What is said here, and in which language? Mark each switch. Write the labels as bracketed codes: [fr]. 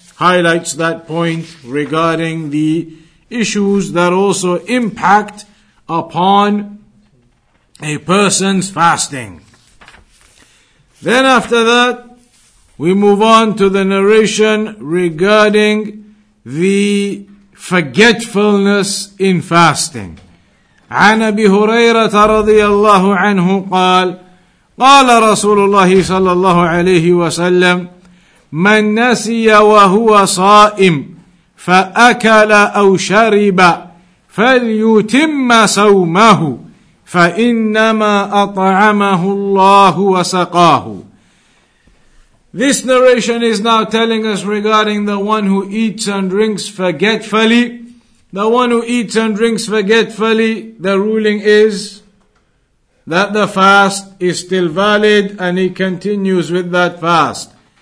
[en] highlights that point regarding the issues that also impact upon a person's fasting. Then after that, we move on to the narration regarding the forgetfulness in fasting. [ar] عن أبي هريرة رضي الله عنه قال قال رسول الله صلى الله عليه وسلم من نسي وهو صائم فأكل أو شرب فليتم صومه فإنما أطعمه الله وسقاه. [en] This narration is now telling us regarding the one who eats and drinks forgetfully. The one who eats and drinks forgetfully, the ruling is that the fast is still valid and he continues with that fast.